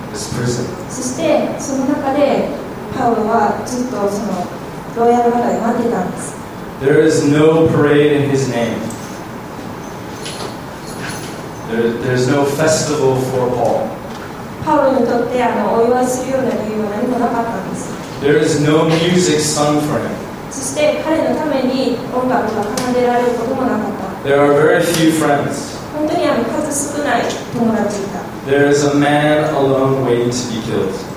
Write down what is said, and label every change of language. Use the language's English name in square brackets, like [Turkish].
[Japanese] そしてその中でパウロはずっとその牢屋の中で待っていたんです。 [English] There is no parade in his name. There's no festival for Paul. [Japanese] パウロにとってお祝いするような理由は何もなかったんです。 [English] There is no music sung for him. [Japanese] そして彼のために音楽が奏でられることもなかった。 [English] There are very few friends. [Japanese] 本当に数少ない友達いた。 [English] There is a man alone waiting to be killed.